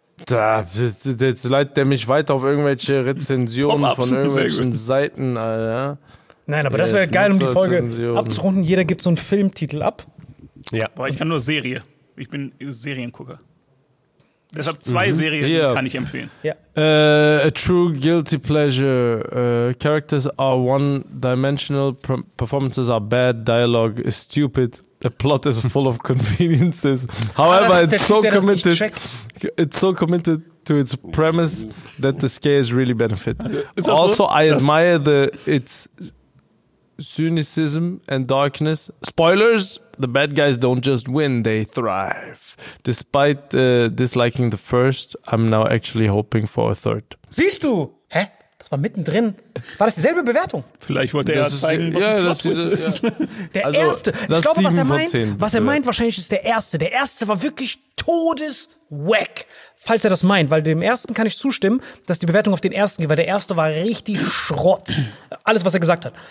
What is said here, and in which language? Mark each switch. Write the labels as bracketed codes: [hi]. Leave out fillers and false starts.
[de] Da, jetzt leitet der mich weiter auf irgendwelche Rezensionen von irgendwelchen Seiten, Alter. Nein, aber das wäre geil, um die Folge abzurunden. Jeder gibt so einen Filmtitel ab. Ja. Boah, ich kann nur Serie. Ich bin Seriengucker. Deshalb zwei Serien kann ich empfehlen. [en] Yeah. A true guilty pleasure. Characters are one-dimensional. Performances are bad. Dialogue is stupid. The plot is full of conveniences. However, it's so committed to its premise that the scares really benefit. Also, I admire its cynicism and darkness. Spoilers, the bad guys don't just win, they thrive. Despite disliking the first, I'm now actually hoping for a third. [de] Siehst du? Hä? Das war mittendrin. War das dieselbe Bewertung? Vielleicht wollte er zeigen, was ein Plot-Twist ist. Der also, erste, ich glaube, was er meint wahrscheinlich ist der erste. Der erste war wirklich todeswack. Falls er das meint, weil dem ersten kann ich zustimmen, dass die Bewertung auf den ersten geht, weil der erste war richtig Schrott. Alles, was er gesagt hat.